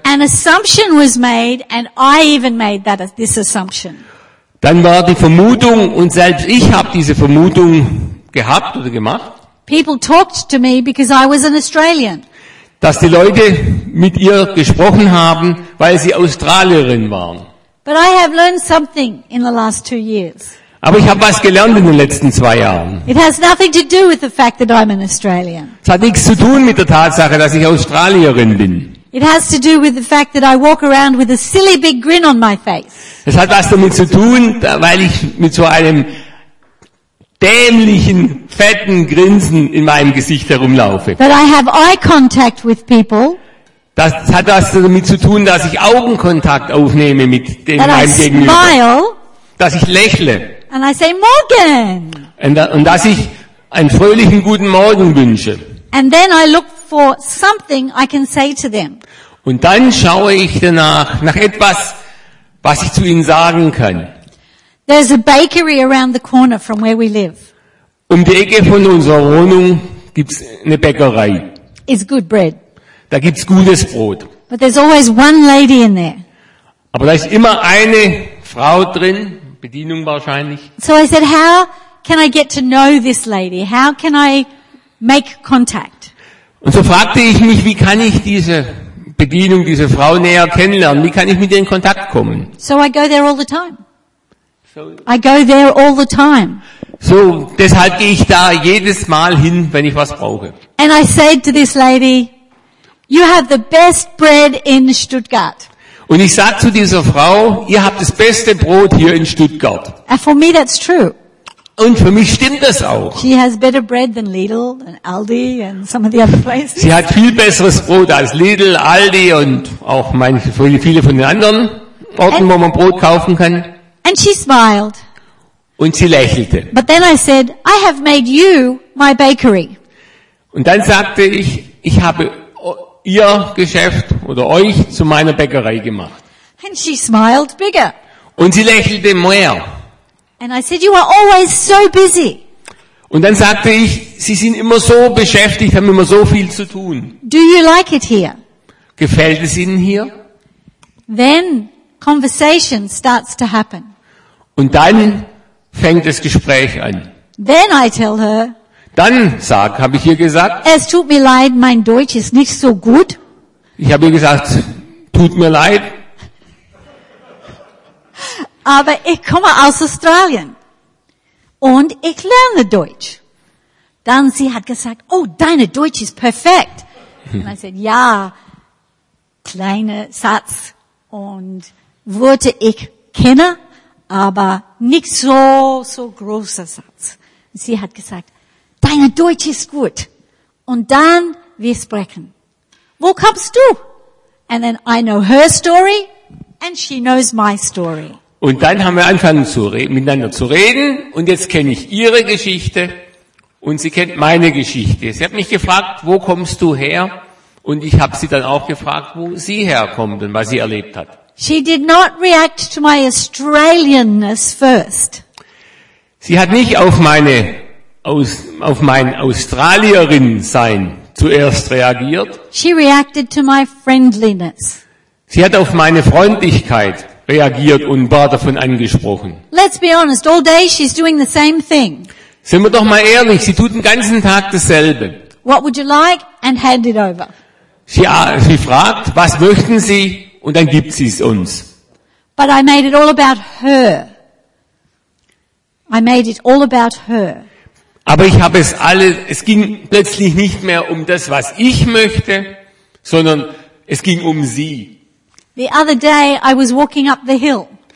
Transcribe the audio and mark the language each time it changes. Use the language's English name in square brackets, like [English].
[English] An assumption was made, and I even made this assumption. [German] Dann war die Vermutung, und selbst ich habe diese Vermutung gehabt oder gemacht. [English] People talked to me because I was an Australian. [German] Dass die Leute mit ihr gesprochen haben, weil sie Australierin waren. [English] But I have learned something in the last 2 years. [German] Aber ich habe was gelernt in den letzten 2 Jahren. [English] It has nothing to do with the fact that I'm an Australian. [German] Es hat nichts zu tun mit der Tatsache, dass ich Australierin bin. [English] It has to do with the fact that I walk around with a silly big grin on my face. [German] Es hat was damit zu tun, weil ich mit so einem dämlichen, fetten Grinsen in meinem Gesicht herumlaufe. [English] That I have eye contact with people. [German] Das hat was damit zu tun, dass ich Augenkontakt aufnehme mit meinem Gegenüber. [English] Smile, [German] dass ich lächle. [English] And I say, "Morgen." [German] und dass ich einen fröhlichen guten Morgen wünsche. [English] And then I look for something I can say to them. [German] Und dann schaue ich danach nach etwas, was ich zu ihnen sagen kann. [English] There's a bakery around the corner from where we live. [German] Um die Ecke von unserer Wohnung gibt's eine Bäckerei. [English] It's good bread. [German] Da gibt's gutes Brot. [English] But there's always one lady in there. [German] Aber da ist immer eine Frau drin, Bedienung wahrscheinlich. [English] So I said, how can I get to know this lady? How can I make contact? [German] Und so fragte ich mich, wie kann ich diese Bedienung, diese Frau näher kennenlernen? Wie kann ich mit ihr in Kontakt kommen? [English] So I go there all the time. I go there all the time. [German] So, deshalb gehe ich da jedes Mal hin, wenn ich was brauche. [English] And I said to this lady, you have the best bread in Stuttgart. [German] Und ich sage zu dieser Frau, ihr habt das beste Brot hier in Stuttgart. [English] And for me that's true. [German] Und für mich stimmt das auch. [English] She has better bread than Lidl and Aldi and some of the other places. [German] Sie hat viel besseres Brot als Lidl, Aldi und auch viele von den anderen Orten, wo man Brot kaufen kann. [English] And she smiled. [German] Und sie lächelte. [English] But then I said, I have made you my bakery. [German] Und dann sagte ich, ich habe ihr Geschäft oder euch zu meiner Bäckerei gemacht. [English] And she smiled bigger. [German] Und sie lächelte mehr. [English] And I said, you are always so busy. [German] Und dann sagte ich, sie sind immer so beschäftigt, haben immer so viel zu tun. [English] Do you like it here? [German] Gefällt es ihnen hier? [English] Then conversation starts to happen. [German] Und dann fängt das Gespräch an. [English] Then I tell her, [German] dann habe ich ihr gesagt, es tut mir leid, mein Deutsch ist nicht so gut. Ich habe ihr gesagt, tut mir leid. Aber ich komme aus Australien und ich lerne Deutsch. Dann sie hat gesagt, oh, deine Deutsch ist perfekt. Und [English] I said, [German] ja, kleiner Satz und Worte ich kenne, aber nicht so großer Satz. Und sie hat gesagt, deine Deutsch ist gut. Und dann wir sprechen. Wo kommst du? [English] And then I know her story and she knows my story. [German] Und dann haben wir angefangen miteinander zu reden und jetzt kenne ich ihre Geschichte und sie kennt meine Geschichte. Sie hat mich gefragt, wo kommst du her? Und ich habe sie dann auch gefragt, wo sie herkommt und was sie erlebt hat. [English] She did not react to my Australian-ness first. [German] Sie hat nicht auf mein Australierin-Sein zuerst reagiert. [English] She reacted to my friendliness. [German] Sie hat auf meine Freundlichkeit reagiert und war davon angesprochen. [English] Let's be honest, all day she's doing the same thing. [German] Sind wir doch mal ehrlich, sie tut den ganzen Tag dasselbe. [English] What would you like? And hand it over. [German] Sie fragt, was möchten Sie? Und dann gibt sie es uns. [English] But I made it all about her. I made it all about her. [German] Aber ich habe es ging plötzlich nicht mehr um das, was ich möchte, sondern es ging um sie. [English] The other day I was walking up the hill.